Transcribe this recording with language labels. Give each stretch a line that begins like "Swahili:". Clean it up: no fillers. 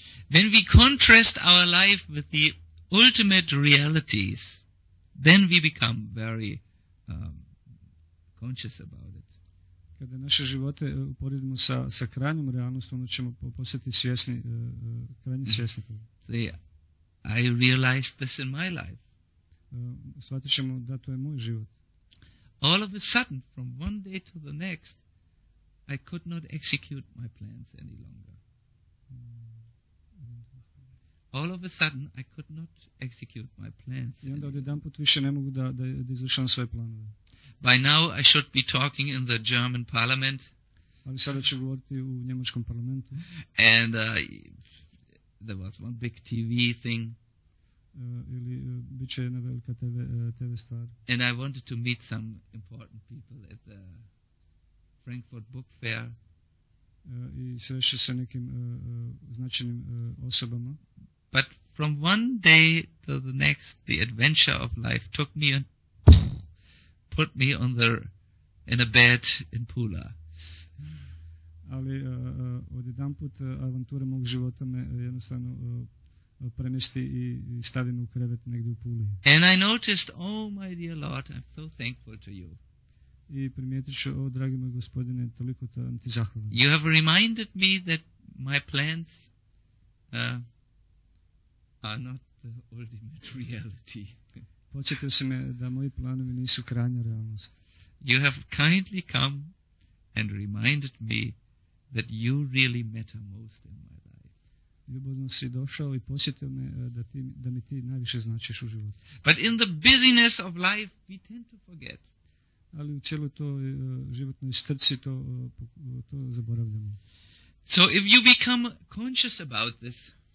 English: When we contrast our life with the ultimate realities, then we become very conscious about it.
Croatian: Kada naše živote uporedimo sa krajnjom realnosti, onda ćemo postati svjesni, krajnje svjesni.
English: So, yeah, I realized this in my life.
Croatian: Shvatit ćemo da to je moj život.
English: All of a sudden, from one day to the next, I could not execute my plans any longer. All of a sudden, I could not execute my plans.
Croatian: I onda odjedan put više ne mogu da izvršam svoje planove.
English: By now, I should be talking in the German parliament.
Croatian: Ali sada ću govoriti u njemačkom parlamentu.
English: And there was one big TV thing.
Croatian: Ili bit će jedna velika TV stvar.
English: And I wanted to meet some important people at the Frankfurt Book Fair.
Croatian: I srešio sa nekim značajnim osobama.
English: But from one day to the next, the adventure of life took me and put me on the in a bed in Pula.
Croatian: Ali od jedan put avantura mog života me jednostavno premesti i stavi me u krevet negdje u Puli.
English: And I noticed, oh my dear Lord, I'm so thankful to you.
Croatian: I primijetit ću, o dragi moj gospodine, toliko ti zahvalan.
English: You have reminded me that my plans are not the ultimate reality.
Croatian: Podsjetio si me da moji planovi nisu krajnja realnost.
English: You have kindly come and reminded me that you really matter most in my life.
Croatian: Ljubavno si došao i podsjetio me da mi ti najviše značiš u životu.
English: But in the busyness of life we tend to forget.
Croatian: Ali u cijeloj toj životnoj strci to zaboravljamo.
English: So if you become conscious about this,